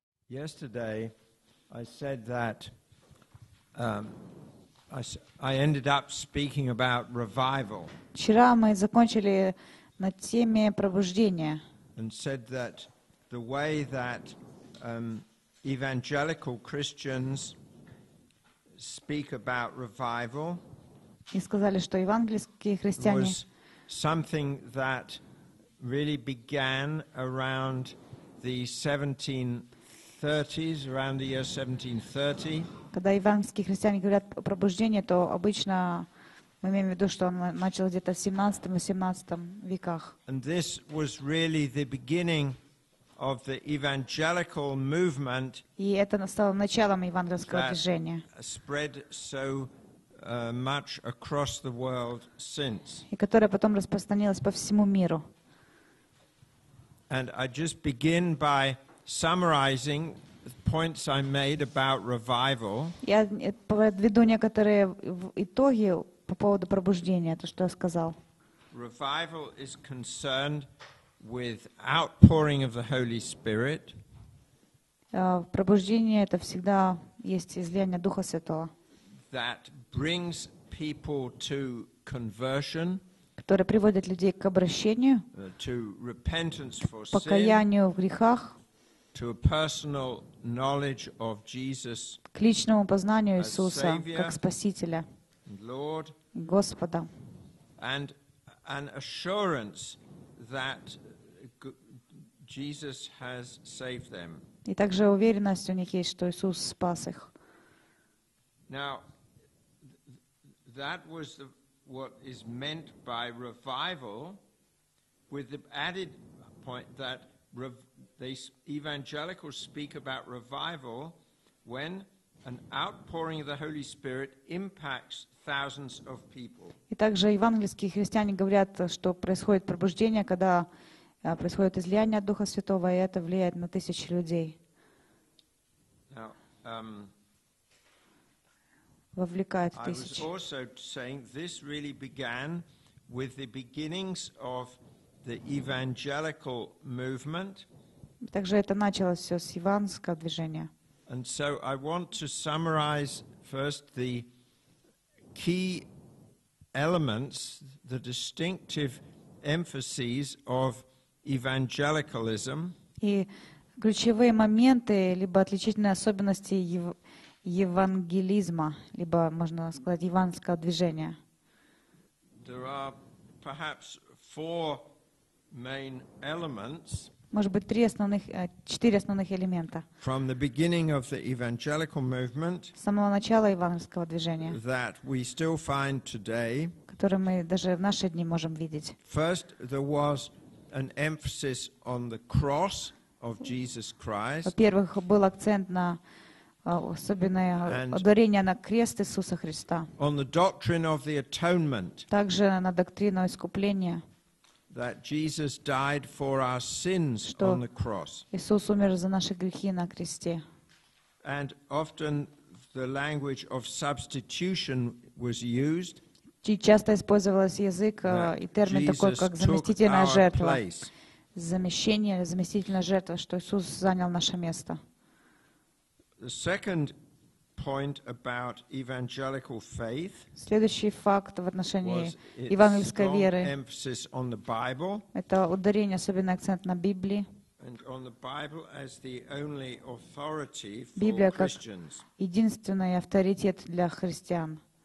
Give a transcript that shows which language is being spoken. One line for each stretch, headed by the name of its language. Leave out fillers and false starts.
English: Yesterday, I said that I ended up speaking about revival.
Russian: Вчера мы закончили на теме пробуждения.
English: And said that the way that evangelical Christians speak about revival.
Russian: И сказали, что евангельские христиане.
English: Was something that really began around the 1730s, around the year 1730.
Russian: Когда евангельские христиане говорят о пробуждении, то обычно мы имеем в виду, что он начал где-то в 17-18 веках.
English: And this was really the beginning of the evangelical movement.
Russian: И это стало началом евангельского движения.
English: Spread so much across the world since.
Russian: И которое потом распространилось по всему миру.
English: And I just begin by summarizing the points I made about revival.
Russian: Я подведу некоторые итоги по поводу пробуждения, то, что я сказал.
English: Revival is concerned with outpouring of the Holy Spirit.
Russian: Пробуждение — это всегда есть излияние Духа Святого.
English: That brings people to conversion.
Russian: Которое приводит людей к обращению.
English: To repentance for sin.
Russian: К покаянию в грехах.
English: To a personal knowledge of Jesus,
Russian: к личному познанию Иисуса как Спасителя,
English: Lord,
Russian: Господа,
English: and an assurance that Jesus has saved them.
Russian: И также уверенность у них есть, что Иисус спас их.
English: Now, that was what is meant by revival, with the added point that the evangelicals speak about revival when an outpouring of the Holy Spirit impacts thousands of people.
Russian: И также евангельские христиане говорят, что происходит пробуждение, когда происходит излияние Духа Святого, и это влияет на тысячи людей.
English: Now,
Russian: вовлекает тысячи.
English: I was also saying this really began with the beginnings of the evangelical movement.
Russian: Также это началось все с евангельского движения.
English: And so I want to summarize first the key elements, the distinctive emphases of evangelicalism.
Russian: И ключевые моменты либо отличительные особенности евангелизма, либо можно сказать евангельского движения.
English: There are perhaps four main elements.
Russian: Может быть, четыре основных элемента.
English: From the beginning of the evangelical movement,
Russian: с самого начала евангельского движения,
English: that we still find today,
Russian: которые мы даже в наши дни можем видеть.
English: First, there was an emphasis on the cross of Jesus Christ.
Russian: Во-первых, был акцент на особенное ударение на крест Иисуса Христа.
English: On the doctrine of the atonement.
Russian: Также на доктрину искупления.
English: That Jesus died for our sins on the cross.
Russian: Иисус умер за наши грехи на кресте.
English: And often the language of substitution was used.
Russian: И часто использовался язык и термин такой, как заместительная жертва. Замещение, заместительная жертва, что Иисус занял наше место.
English: The second point about evangelical faith.
Russian: Следующий факт в отношении евангельской веры.
English: Emphasis on the Bible.
Russian: Это ударение, особенно акцент на Библии.
English: And on the Bible as the only authority for Christians.
Russian: Библия как единственный авторитет для христиан.